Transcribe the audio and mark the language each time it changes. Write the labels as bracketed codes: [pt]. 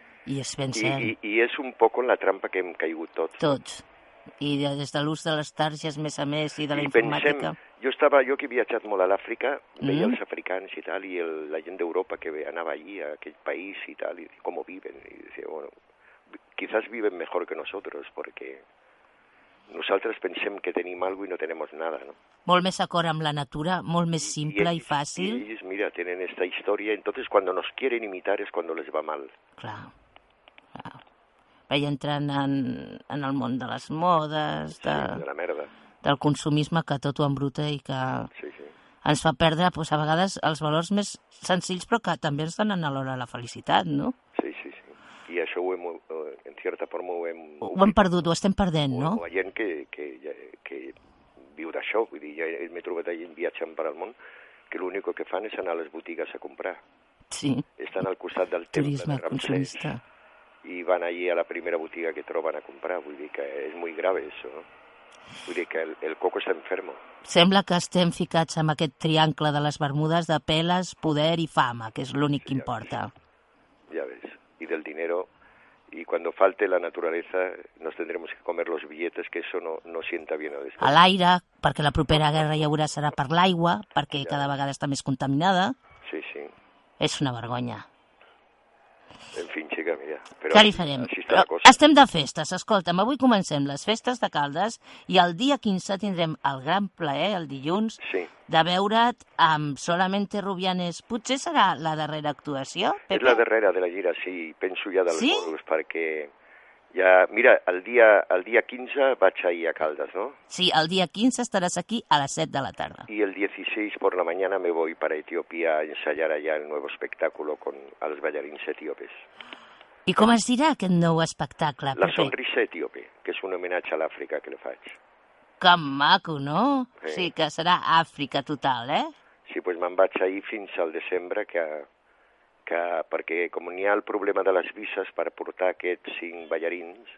[ca] I és ben cert. I és un poc en la trampa que hem caigut tots. Tots. I des de l'ús de les targes, més a més, i de la informàtica. Pensem, jo que he viatjat molt a l'Àfrica, veia els africans i tal, i la gent d'Europa que anava allí, a aquell país i tal, i com ho viven, i deia, bueno... [es] Quizás viven mejor que nosotros, porque [ca] nosaltres pensem que tenim [es] algo y no tenemos nada, ¿no? [ca] Molt més acord amb la natura, molt més simple i fàcil. I ells, mira, tenen esta història, [es] entonces cuando nos quieren imitar es cuando les va mal. [ca] Clar, clar. Vaig entrant en el món de les modes, de la merda. Del consumisme que tot ho embruta i que sí. Ens fa perdre, pues, a vegades, els valors més senzills, però que també ens donen alhora la felicitat, no? I això ho hem, en certa forma, ho hem perdut, ho estem perdent, no? Hi ha gent que viu d'això, vull dir, ja m'he trobat allà viatjant per al món, que l'únic que fan és anar a les botigues a comprar. Sí. Estan al costat del turisme, temple de Ramsès. Turisme consumista. I van allà a la primera botiga que troben a comprar, vull dir que és molt grave això, no? Vull dir que el coco està enfermo. Sembla que estem ficats en aquest triangle de les Bermudes de peles, poder i fama, que és l'únic que importa. Ja ves. [es] Y del dinero, y cuando falte la naturaleza, nos tendremos que comer los billetes, que eso no sienta bien. [ca] A l'aire, perquè la propera guerra ja haurà serà per l'aigua, perquè cada vegada està més contaminada. Sí, sí. És una vergonya. [es] En fin, chica, mira. Però [ca] què li farem? Estem de festes, escolta'm, avui comencem les festes de Caldes, i el dia 15 tindrem el gran plaer, el dilluns, sí, de veure't amb Solamente Rubianes. Potser serà la darrera actuació, Pepe? És la darrera de la gira, sí, penso ja dels sí? Mòduls, perquè Ja, mira, el dia 15 vaig ahir a Caldes, no? Sí, el dia 15 estaràs aquí a les 7 de la tarda. [es] I el 16 por la mañana me voy para Etiopía a ensayar allá el nuevo espectáculo con [ca] els ballarins etíopes. I com es dirà aquest nou espectacle, Pepe? La sonrisa etíope, que és un homenatge a l'Àfrica que li faig. Que maco, no? Sí. Sí, que serà Àfrica total, eh? Sí, pues me'n vaig ahir fins al desembre, que perquè com n'hi ha el problema de les visas per portar aquests 5 ballarins,